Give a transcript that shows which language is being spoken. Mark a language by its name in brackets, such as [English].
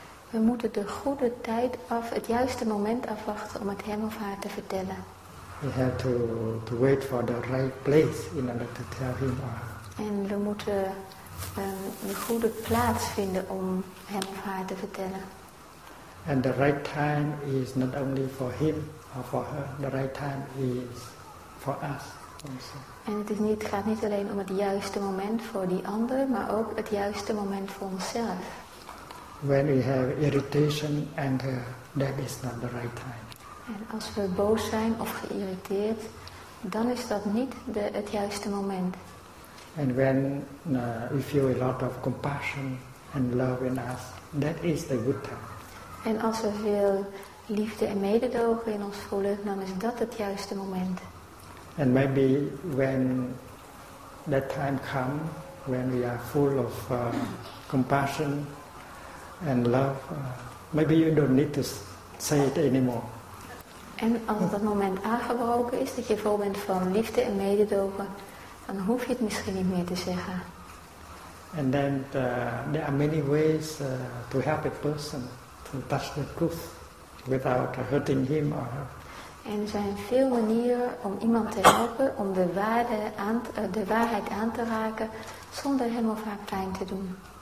[Dutch] We moeten de goede tijd af, het juiste moment afwachten om het hem of haar te vertellen. [English] We have to wait for the right place in order to tell him or her. [Dutch] En we moeten een goede plaats vinden om hem of haar te vertellen. [English] And the right time is not only for him or for her. The right time is for us also. [Dutch] En het gaat niet alleen om het juiste moment voor die ander, maar ook het juiste moment voor onszelf. [English] When we have irritation, anger, that is not the right time. [Dutch] En als we boos zijn of geïrriteerd, dan is dat niet het juiste moment. [English] And when we feel a lot of compassion and love in us, that is the good time. [Dutch] En als we veel liefde en mededogen in ons voelen, dan is dat het juiste moment. [English] And maybe when that time comes, when we are full of compassion and love, maybe you don't need to say it anymore. [Dutch] En als dat moment aangebroken is, dat je vol bent van liefde en mededogen, dan hoef je het misschien niet meer te zeggen. [English] And then there are many ways to help a person to touch the truth without hurting him or her. [Dutch] En er zijn veel manieren om iemand te helpen om de waarheid aan te raken zonder hem of haar pijn te doen.